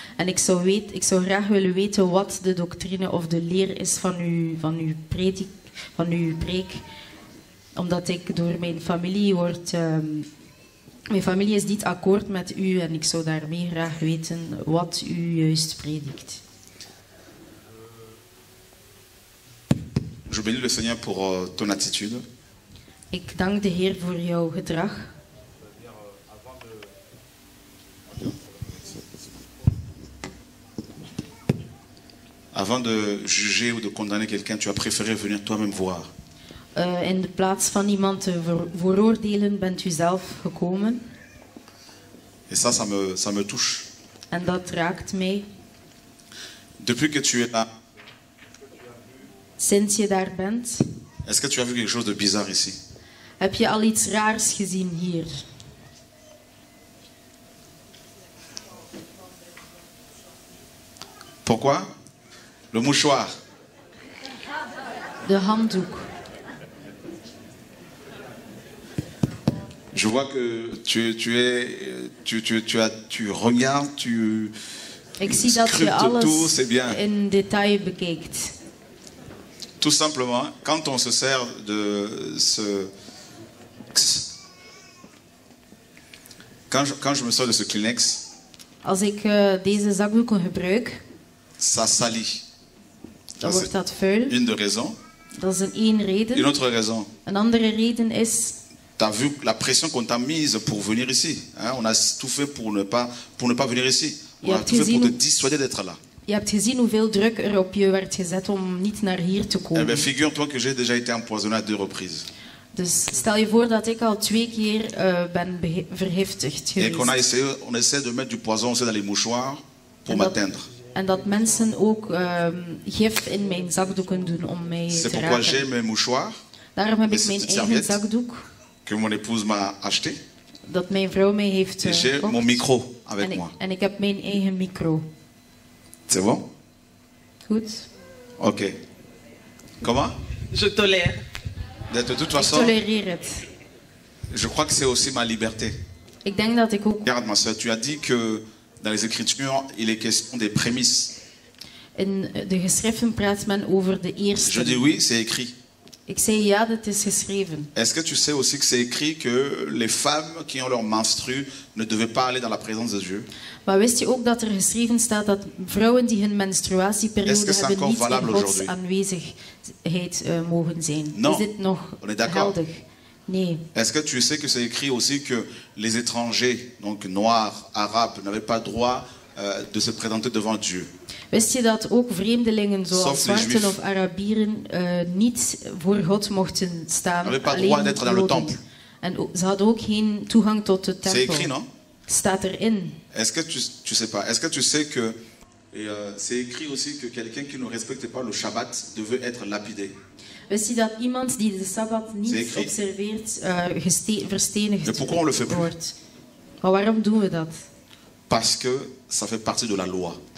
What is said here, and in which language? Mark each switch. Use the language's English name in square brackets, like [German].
[Dutch] En ik zou graag willen weten wat de doctrine of de leer is van uw preek. Omdat ik door mijn familie word... mijn familie is niet akkoord met u en ik zou daarmee graag weten wat u juist predikt. [French] Je bénis le Seigneur pour ton attitude. [Dutch] Ik dank de Heer voor jouw gedrag. [French] avant de juger ou de condamner quelqu'un, tu as préféré venir toi-même voir. [Dutch] In de plaats van iemand te veroordelen, bent u zelf gekomen. [French] Et ça, ça me touche. [Dutch] En dat raakt mij. [French] Depuis que tu es là. [Dutch] Sinds je daar bent. [French] Est-ce que tu as vu quelque chose de bizarre ici? [Dutch] Heb je al iets raars gezien hier? [French] Pourquoi? Le mouchoir. [Dutch] De handdoek. [French] Je vois que tu regardes, tu scrutes tout, c'est bien. [Dutch] In detail bekijkt. [French] Tout simplement, quand on se sert de ce quand je me sers de ce Kleenex. [Dutch] Als ik deze zakdoeken gebruik. [French] Ça salit. [Dutch] Dan wordt dat vuil. [French] Une des raisons. [Dutch] Dat is een reden. [French] Une autre raison. [Dutch] Een andere reden is. [French] T'as vu la pression qu'on t'a mise pour venir ici. Hein? On a tout fait pour ne pas venir ici. On a tout fait pour te dissuader d'être là. [Dutch] Je hebt gezien hoeveel druk er op je werd gezet om niet naar hier te komen. [French] Eh bien, figure-toi que j'ai déjà été empoisonné à deux reprises. [Dutch] Dus stel je voor dat ik al twee keer ben vergiftigd geweest. [French] Et qu'on a essayé, on essaie de mettre du poison aussi dans les mouchoirs pour m'atteindre. [Dutch] En dat mensen ook gif in mijn zakdoeken doen om mij te raken. [French] C'est pourquoi j'ai mes mouchoirs. [Dutch] Daarom heb ik mijn eigen zakdoek. [French] Que mon épouse m'a acheté. [Dutch] Dat mijn vrouw mij heeft gekocht. [French] Et j'ai mon micro avec moi. [Dutch] En ik heb mijn eigen micro. [French] C'est bon? [Dutch] Goed. [French] Ok. Comment? Je tolère. De toute façon. Je tolérerai [Dutch] het. [French] Je crois que c'est aussi ma liberté. [Dutch] Ik denk dat ik ook. [French] Regarde ma soeur, tu as dit que dans les Écritures, il est question des prémices. [Dutch] In de geschriften praat men over de eerste. [French] Je dis oui, c'est écrit. [Dutch] Ik zei ja, dat is geschreven. [French] Est-ce que tu sais aussi que c'est écrit que les femmes qui ont leur menstrue ne devaient pas aller dans la présence de Dieu? [Dutch] Maar wist je ook dat er geschreven staat dat vrouwen die hun menstruatieperiode hebben niet in Gods aanwezigheid mogen zijn? [French] Non. [Dutch] Is dit nog geldig? Nee. [French] Est-ce que tu sais que c'est écrit aussi que les étrangers, donc noirs, arabes, n'avaient pas droit de se présenter devant Dieu? [Dutch] Wist je dat ook vreemdelingen zoals zwarten of Arabieren niet voor God mochten staan? Alleen en ze hadden ook geen toegang tot de tempel. [French] C'est écrit, non? [Dutch] Staat erin. [French] Est-ce que tu sais pas? Est-ce que tu sais que c'est écrit aussi que quelqu'un qui ne respecte pas le Shabbat devait être lapidé? [Dutch] Wist je dat iemand die de Sabbat niet observeert verstenigd wordt? [French] Pourquoi on le fait plus? [Dutch] Maar waarom doen we dat? [French] Parce que ça fait partie de la loi.